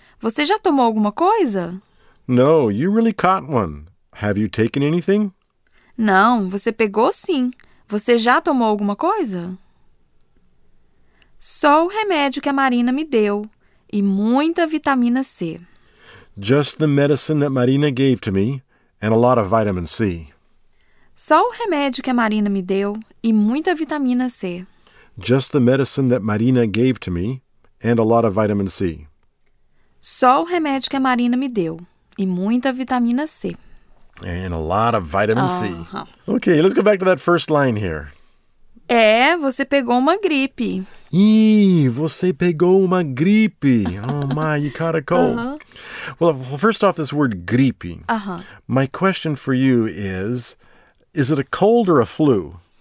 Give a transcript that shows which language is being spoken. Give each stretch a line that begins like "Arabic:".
Portuguese: Você já tomou alguma coisa?
English: No, you really caught one. Have you taken anything?
Portuguese: Não, você pegou sim. Você já tomou alguma coisa? Só o remédio que a Marina me deu. E muita vitamina C.
English: Just the medicine that Marina gave to me, and a lot of vitamin C.
Portuguese: Só o remédio que a Marina me deu, e muita vitamina C.
English: Just the medicine that Marina gave to me, and a lot of vitamin C.
Portuguese: Só o remédio que a Marina me deu, e muita vitamina C.
English: And a lot of vitamin C. Okay, let's go back to that first line here.
Portuguese: É, você pegou uma gripe. Ih, você pegou uma gripe.
English: Oh my, you caught a cold. Well, first off, this word gripe. My question for you is it a cold or a flu?